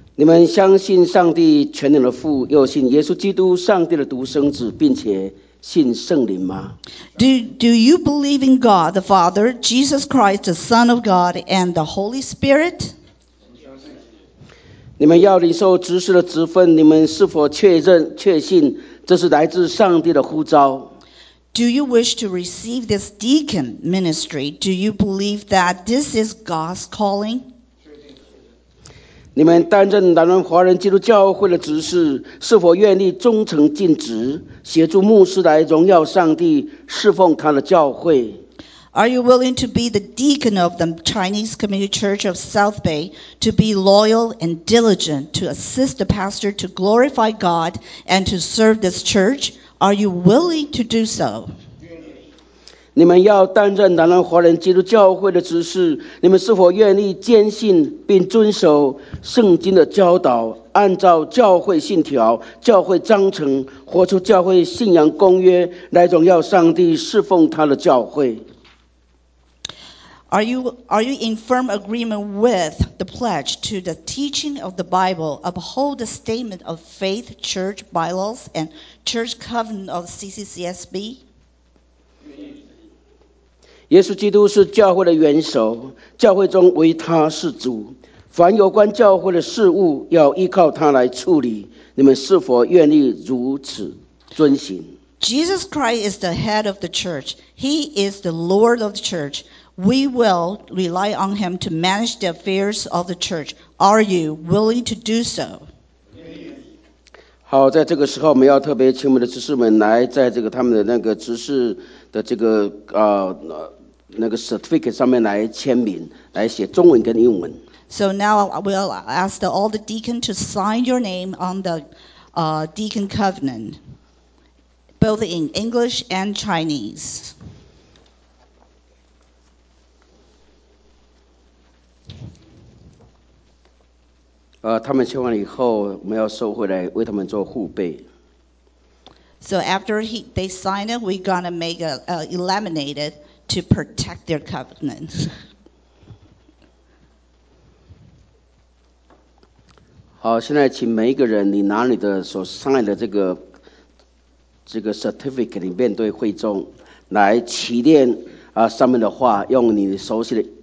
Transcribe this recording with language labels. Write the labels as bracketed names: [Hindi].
[Chinese] 你们相信上帝全能的父，又信耶稣基督上帝的独生子，并且。信圣灵吗? [English] Do you believe in God, the Father, Jesus Christ, the Son of God, and the Holy Spirit? [Chinese] 你们要领受执事的职分，你们是否确认、确信这是来自上帝的呼召? [English] Do you wish to receive this deacon ministry? Do you believe that this is God's calling? [Chinese] 你们担任南湾华人基督教会的执事，是否愿意忠诚尽职，协助牧师来荣耀上帝，侍奉他的教会？ [English] Are you willing to be the deacon of the Chinese Community Church of South Bay to be loyal and diligent to assist the pastor to glorify God and to serve this church? Are you willing to do so? [Chinese] 你们要担任南湾华人基督教会的执事，你们是否愿意坚信并遵守圣经的教导，按照教会信条、教会章程，活出教会信仰公约，来荣耀上帝，侍奉他的教会？ [English] Are you in firm agreement with the pledge to the teaching of the Bible, uphold the statement of faith, church bylaws, and church covenant of CCCSB? [Chinese] 耶稣基督是教会的元首，教会中唯他是主，凡有关教会的事务要依靠他来处理，你们是否愿意如此遵行？ [English] Jesus Christ is the head of the church. He is the Lord of the church. We will rely on him to manage the affairs of the church. Are you willing to do so? [Chinese] 好，在这个时候，我们要特别请我们的执事们来，在这个他们的那个执事的这个那个 certificate 上面来签名，来写中文跟英文。 [English] So now I will ask all the deacons to sign your name on the deacon covenant, both in English and Chinese. [Chinese] 他们签完以后，我们要收回来为他们做护背。 [English] So after they sign it, we're gonna make a laminate it to protect their covenant. [Chinese] 好，现在请每一个人，你拿你的所 sign 的这个 certificate， 你面对会众来祈念上面的话，用你熟悉的。